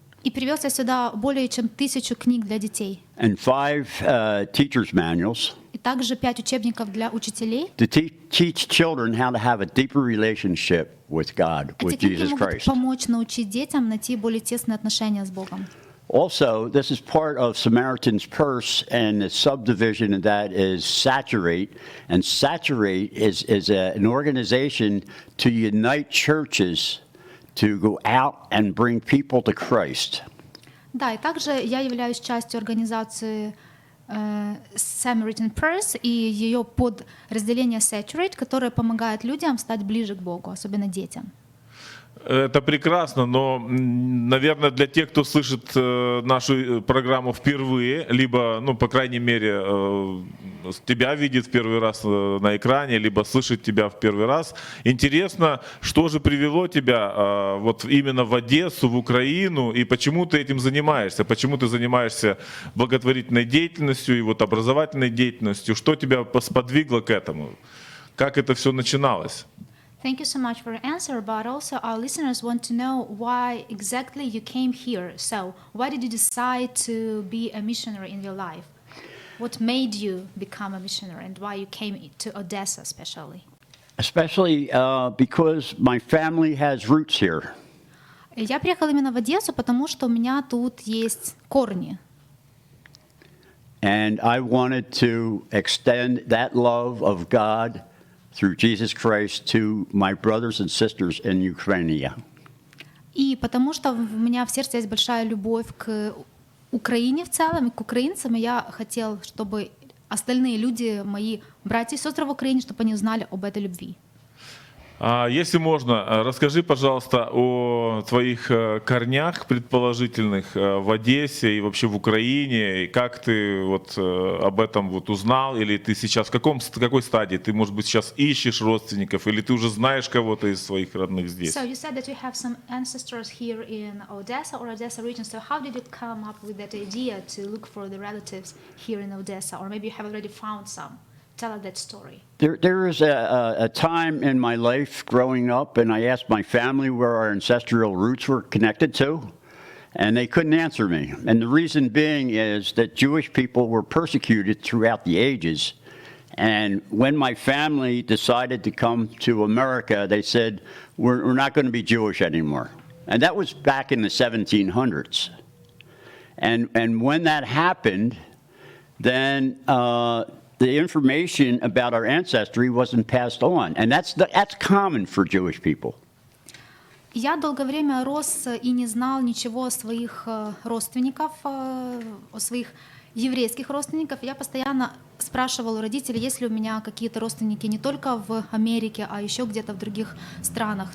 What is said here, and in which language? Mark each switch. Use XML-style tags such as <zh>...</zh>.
<uk>І привезся сюди більше, ніж 1000 книг для дітей.</uk> <en>And five teachers' manuals.</en> <uk>І також 5 учебників</uk> <ru>для учителей.</ru> <en>To teach children how to have a deeper relationship with God, with Jesus Christ.</en> <uk>Це допоможе навчити дітям знайти більш тісні відносини з Богом.</uk> <en>Also, this is part of Samaritan's Purse, and the subdivision of that is Saturate. And Saturate is an organization to unite churches to go out and bring people to Christ.</en> <uk>Да, і також я являюсь частью організації Samaritan Purse і її підрозділення Saturate, яке допомагає людям стати ближче до Бога, особливо дітям.</uk> <ru>Это прекрасно, но, наверное, для тех, кто слышит нашу программу впервые, либо, ну, по крайней мере, тебя видит в первый раз на экране, либо слышит тебя в первый раз, интересно, что же привело тебя вот именно в Одессу, в Украину, и почему ты этим занимаешься? Почему ты занимаешься благотворительной деятельностью и вот образовательной деятельностью? Что тебя сподвигло к этому? Как это все начиналось?</ru> <en>Thank you so much for your answer, but also our listeners want to know why exactly you came here. So, why did you decide to be a missionary in your life? What made you become a missionary and why you came to Odessa especially? Especially because my family has roots here.</en> <ru>Я приехала именно в Одессу, потому что у меня тут есть корни.</ru> <en>And I wanted to extend that love of God through Jesus Christ to my brothers and sisters in Ukraine.</en> <uk>І тому що в мене в серці є велика любов к Україні в цілому, к українцям, я хотів, щоб</uk> <ru>остальные люди,</ru> <uk>мої брати і сестри в Україні, щоб вони знали</uk> <ru>об этой любви. А если можно, расскажи, пожалуйста, о твоих корнях предположительных в Одессе и вообще в Украине, и как ты вот об этом вот узнал, или ты сейчас в какой стадии? Ты, может быть, сейчас ищешь родственников, или ты уже знаешь кого-то из своих родных здесь?</ru> <en>So you said that you have some ancestors here in Odessa or Odessa region. So how did you come up with that idea to look for the relatives here in Odessa, or maybe you have already found some? Tell us that story. There is a time in my life growing up, and I asked my family where our ancestral roots were connected to, and they couldn't answer me. And the reason being is that Jewish people were persecuted throughout the ages, And when my family decided to come to America, they said, we're not going to be Jewish anymore. And that was back in the 1700s. And when that happened, then the information about our ancestry wasn't passed on. And that's common for Jewish people.</en> <ru>Я долгое время рос и не знал ничего о своих родственниках, о своих еврейских родственниках. Я постоянно спрашивал у родителей, есть ли у меня какие-то родственники не только в Америке, а еще где-то в других странах.</ru>